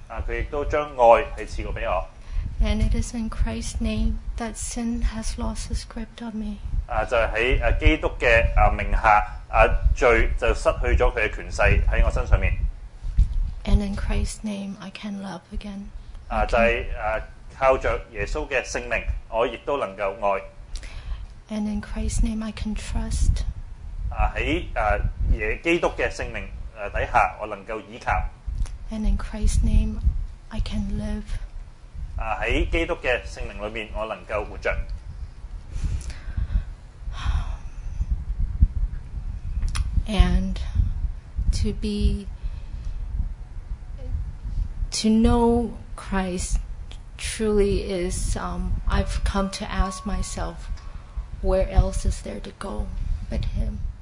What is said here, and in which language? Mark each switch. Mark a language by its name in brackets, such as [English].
[Cantonese] 佢亦都將愛係賜過俾我。 [English] And it is in Christ's name that sin has lost its grip on me. [Cantonese] 就喺基督嘅名下，罪就失去咗佢嘅权势喺我身上面。 [English] And in Christ's name, I can love again. [Cantonese] 就系靠着耶稣嘅圣名，我亦都能够爱。 [English] And in Christ's name, I can trust. [Cantonese] 喺基督嘅圣名底下，我能够倚靠。 [English] And in Christ's name, I can live. [Cantonese] 在基督的圣灵里面，我能够活着。 [English] And to know Christ truly is, I've come to ask myself, where else is there to go but Him?